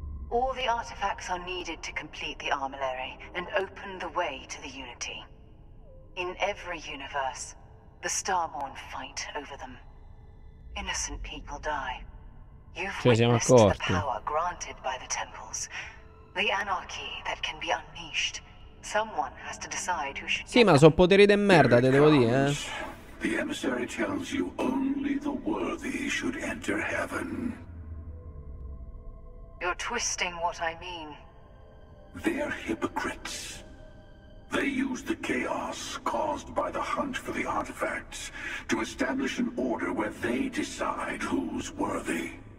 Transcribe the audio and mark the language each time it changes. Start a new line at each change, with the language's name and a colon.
English: All the artifacts are needed to complete the armillary and open the way to the Unity. In every universe, the Starborn fight over them. Innocent people die. You've witnessed the power granted by the temples. The anarchy that can be unleashed. Someone has to decide who should...
Italian: Sì, ma sono poteri de merda, te devo dire.
English: The emissary tells you only the worthy should enter heaven. You're twisting what I mean. They're hypocrites. They use the chaos caused by the hunt for the artifacts to establish an order where they decide who's worthy.